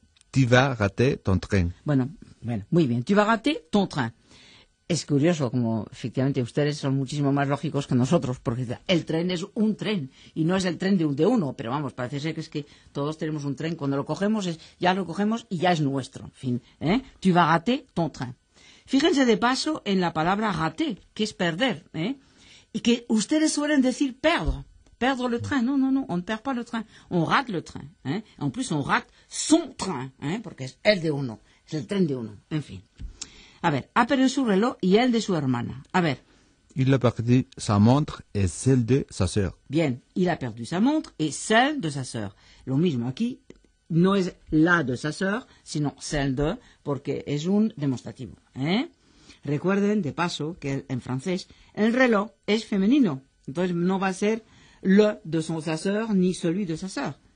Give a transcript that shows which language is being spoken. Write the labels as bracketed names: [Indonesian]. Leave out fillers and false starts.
[French] Tu vas rater ton train. [Spanish] Bueno, muy bien. [French] Tu vas rater ton train. [Spanish] Es curioso, como efectivamente ustedes son muchísimo más lógicos que nosotros, porque el tren es un tren, y no es el tren de uno, pero vamos, parece ser que es que todos tenemos un tren, cuando lo cogemos, ya lo cogemos y ya es nuestro. [French] En fin, Tu vas rater ton train. [Spanish] Fíjense de paso en la palabra rater, que es perder, Y que ustedes suelen decir [French] perdre le train. No, on ne perd pas le train, on rate le train. En plus, on rate son train, [Spanish] porque es el de uno, es el tren de uno. En fin. A ver, ha perdido su reloj y el de su hermana. A ver. [French] Il a perdu sa montre et celle de sa sœur. Bien, il a perdu sa montre et celle de sa sœur. [Spanish] Lo mismo aquí, no es la de [French] sa sœur, [Spanish] sino [French] celle de, [Spanish] porque es un demostrativo, Recuerden, de paso, que en francés el reloj es femenino. Entonces no va a ser [French] le de son sa sœur [Spanish] ni celui de sa sœur.